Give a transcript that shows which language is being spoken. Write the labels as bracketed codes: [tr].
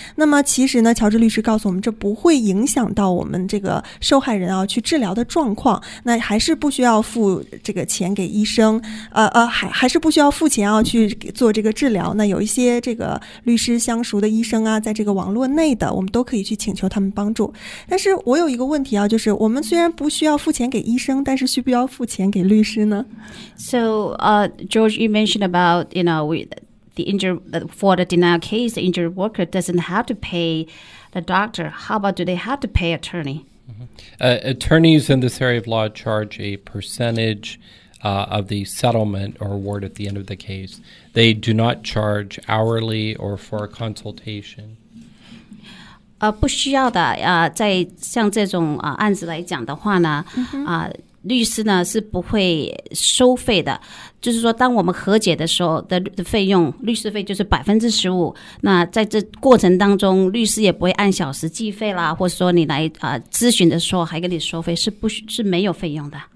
[zh] 那么其实呢，乔治律师告诉我们，这不会影响到我们这个受害人去治疗的状况，那还是不需要付这个钱给医生，还是不需要付钱去做这个治疗。那有一些这个律师相熟的医生啊，在这个网络内的，我们都可以去请求他们帮助。但是我有一个问题啊，就是我们虽然不需要付钱给医生，但是需不需要付钱给律师呢？ [en] So, George, you mentioned about, you know, the injured, for the denial case, the injured worker doesn't have to pay the doctor. How about do they have to pay attorney? Attorneys in this area of law charge a percentage, of the settlement or award at the end of the case. They do not charge hourly or for a consultation. [zh] 不需要的。在像这种案子来讲的话呢，律师呢是不会收费的。就是说，当我们和解的时候的费用，律师费就是15%。那在这过程当中，律师也不会按小时计费啦，或者说你来咨询的时候还给你收费，是没有费用的。